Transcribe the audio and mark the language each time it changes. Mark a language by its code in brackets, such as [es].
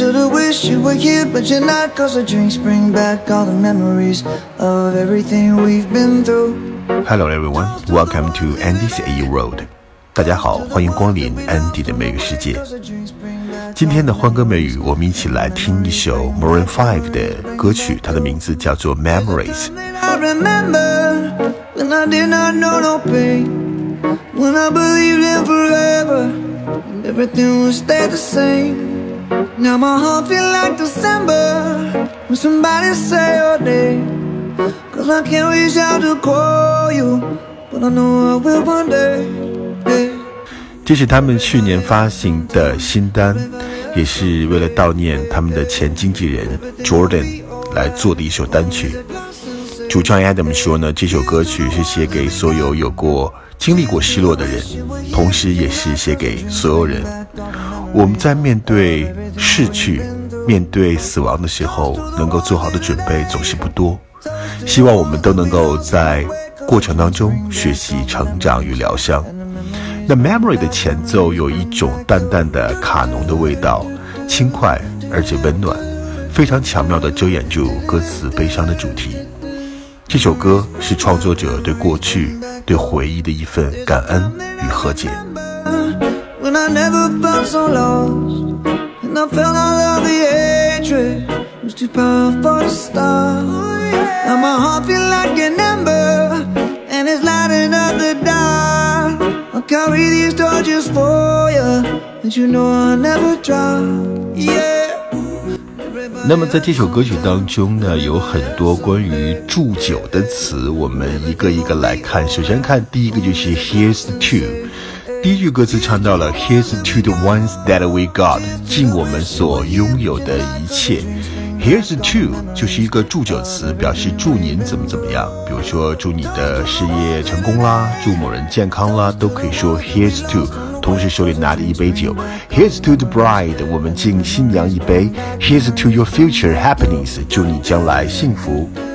[en] wish you were here, but you're not. Cause the drinks bring back all the memories of everything we've been through. Hello everyone, welcome to Andy's AU World. [zh] 大家好，欢迎光临 Andy 的美语世界。今天的欢歌美语，我们一起来听一首 Maroon 5的歌曲，它的名字叫做 Memories。 [en] I remember when I did not know no pain, when I believed in forever and everything would stay the same. Now my heart feels like December when somebody say your name, cause I can't reach out to call you, but I know I will one day. [zh] 这是他们去年发行的新单，也是为了悼念他们的前经纪人 Jordan 来做的一首单曲。主唱 Adam 说呢，这首歌曲是写给所有有过经历过失落的人，同时也是写给所有人。我们在面对逝去，面对死亡的时候，能够做好的准备总是不多，希望我们都能够在过程当中学习成长与疗伤。那 Memory 的前奏有一种淡淡的卡农的味道，轻快而且温暖，非常巧妙地遮掩住歌词悲伤的主题。这首歌是创作者对过去、对回忆的一份感恩与和解。 [en] When I never felt so lost, and I felt all of the hatred was too powerful to stop. And my heart feel like an ember, and it's lighting up the dark. Carry these torches for you, and you know I never try, yeah. [zh] 那么在这首歌曲当中呢，有很多关于祝酒的词，我们一个一个来看。首先看第一个，就是 Here's to。第一句歌词唱到了 [en] Here's to the ones that we got, [zh] 敬我们所拥有的一切。 Here's to 就是一个祝酒词，表示祝您怎么怎么样，比如说祝你的事业成功啦，祝某人健康啦，都可以说 Here's to, 同时手里拿着一杯酒。 [en] Here's to the bride, [zh] 我们敬新娘一杯。 [en] Here's to your future happiness, [zh] 祝你将来幸福。